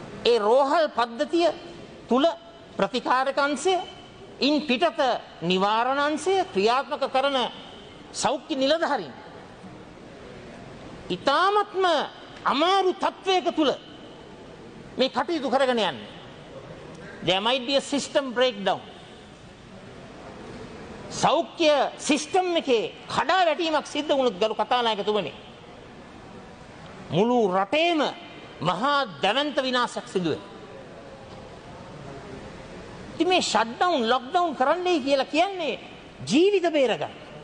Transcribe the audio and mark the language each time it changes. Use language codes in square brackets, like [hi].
[si] ඒ රෝහල් පද්ධතිය තුල ප්‍රතිකාරක අංශය ඉන් පිටත නිවාරණ අංශය ක්‍රියාත්මක කරන සෞඛ්‍ය නිලධාරීන් ඉතාමත්ම අමාරු තත්වයක තුල මේ කටයුතු කරගෙන යන්නේ. [en] There might be a system breakdown. [si] සෞඛ්‍ය සිස්ටම් එකේ කඩාවැටීමක් සිද්ධ වුණොත් ගරු කතානායකතුමනි මුළු රටේම මහා දැවැන්ත විනාශයක් සිදු වෙනවා. ඉතින් මේ ෂට්ඩවුන් ලොක්ඩවුන් කරන්නයි කියලා කියන්නේ ජීවිත බේරගන්න.